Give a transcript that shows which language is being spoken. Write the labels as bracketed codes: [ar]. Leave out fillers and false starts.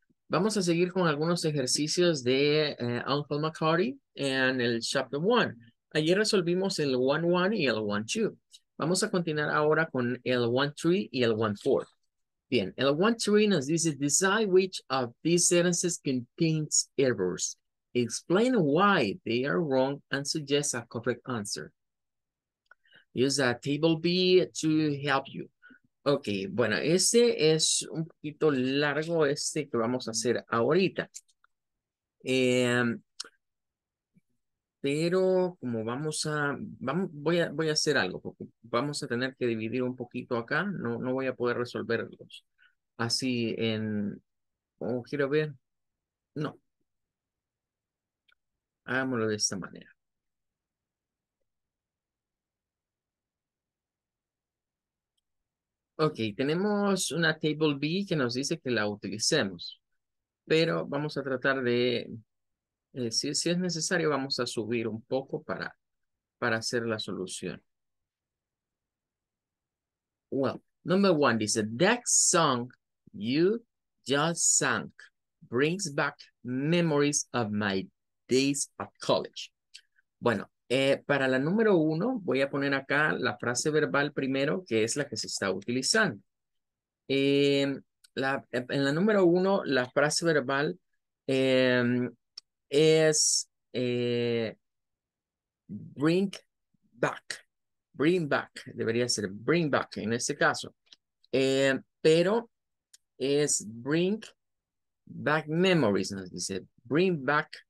[es] Vamos a seguir con algunos ejercicios de Uncle McCarty en el Chapter 1. Ayer resolvimos el 1-1 y el 1-2. Vamos a continuar ahora con el 1-3 y el 1-4. Bien, el 1-3 nos dice: [en] Decide which of these sentences contains errors. Explain why they are wrong and suggest a correct answer. Use a table B to help you. [es] Ok, bueno, este es un poquito largo, este que vamos a hacer ahorita. Pero como voy a hacer algo, porque vamos a tener que dividir un poquito acá, no voy a poder resolverlos así en, quiero ver, no. Hagámoslo de esta manera. Ok, tenemos una table B que nos dice que la utilicemos, pero vamos a tratar de, si es necesario, vamos a subir un poco para hacer la solución. [en] Well, number one dice: That song you just sang brings back memories of my days at college. [es] Bueno. Para la número uno, voy a poner acá la frase verbal primero, que es la que se está utilizando. En la número uno, la frase verbal es bring back, debería ser bring back en este caso, pero es bring back memories, nos dice, bring back.